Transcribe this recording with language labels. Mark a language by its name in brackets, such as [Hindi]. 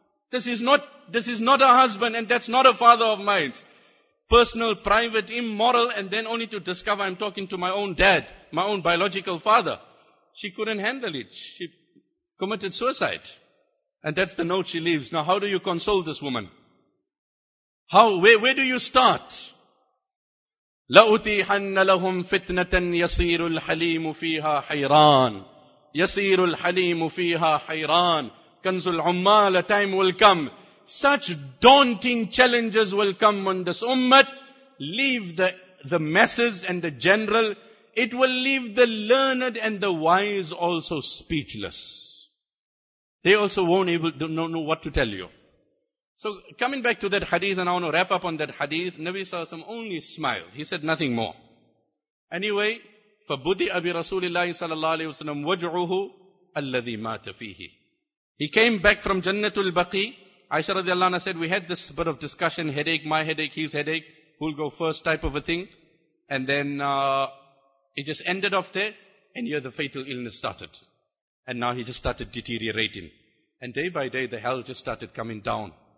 [English] This is not a husband, and that's not a father of mine. Personal, private, immoral, and then only to discover I'm talking to my own dad, my own biological father. She couldn't handle it. She committed suicide. And that's the note she leaves. Now, how do you console this woman? Where do you start? [Arabic] لَأُتِيحَنَّ لَهُمْ فِتْنَةً يَصِيرُ الْحَلِيمُ فِيهَا حَيْرَانَ يَصِيرُ الْحَلِيمُ فِيهَا حَيْرَانَ كَنْزُ الْعُمَّالِ [English] A time will come. Such daunting challenges will come on this ummah. Leave the masses and the general. It will leave the learned and the wise also speechless. They also won't know what to tell you. So coming back to that hadith, and I want to wrap up on that hadith, Nabi Sallallahu Alaihi Wasallam only smiled. He said nothing more. [Arabic] Anyway, فَبُدِئَ بِرَسُولِ اللَّهِ صَلَى اللَّهِ عَلَيْهِ وَسَلَّمُ وَجْعُهُ أَلَّذِي مَاتَ فِيهِ [English] He came back from Jannatul Baqi. Aisha radiallahu anha said, we had this bit of discussion, headache, my headache, his headache, who'll go first type of a thing. And then it just ended off there, and here the fatal illness started. And now he just started deteriorating. And day by day, the hell just started coming down.